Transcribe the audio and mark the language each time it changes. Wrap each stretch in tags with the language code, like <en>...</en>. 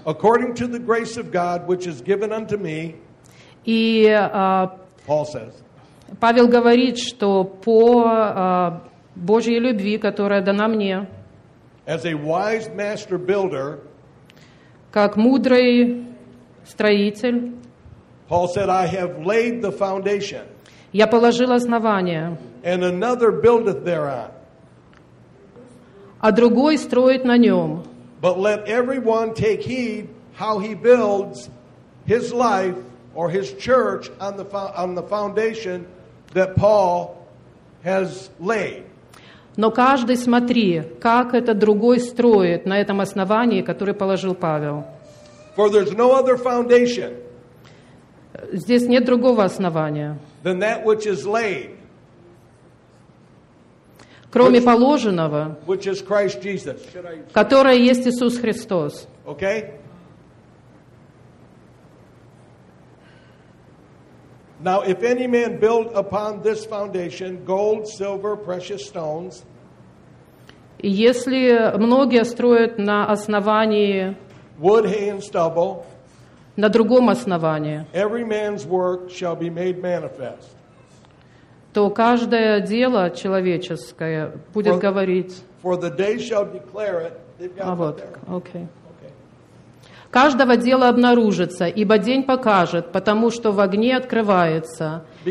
<en>According to the grace of God which is given unto me.</en> <ru>И</ru> <en>Paul says.</en> <ru>Павел говорит, что по Божьей любви, которая дана мне,</ru> <en>as a wise master builder,</en> <ru>как мудрый строитель,</ru> <en>Paul said, I have laid the foundation,</en> <ru>я положил основание,</ru> <en>and another buildeth thereon,</en> <ru>а другой строит на нем.</ru> <en>But let everyone take heed how he builds his life or his church on the foundation that Paul has laid.</en> <ru>Но каждый смотри, как этот другой строит на этом основании, который положил Павел.</ru> <en>For there's no other foundation.</en> <ru>Здесь нет другого основания.</ru> <en>Than that which is laid.</en> <ru>Кроме положенного.</ru> <en>Which is Christ Jesus.</en> <ru>Которое есть Иисус Христос.</ru> <en>Okay? Now, if any man build upon this foundation gold, silver, precious stones,</en> <ru>если многие строят на основании</ru> <en>wood, hay, and stubble,</en> <ru>на другом основании,</ru> <en>every man's work shall be made manifest,</en> <ru>то каждое дело человеческое будет говорить,</ru> <en>for the day shall declare it, they've got it there. Okay.</en> <ru>Каждого дела обнаружится, ибо день покажет, потому что в огне открывается.</ru>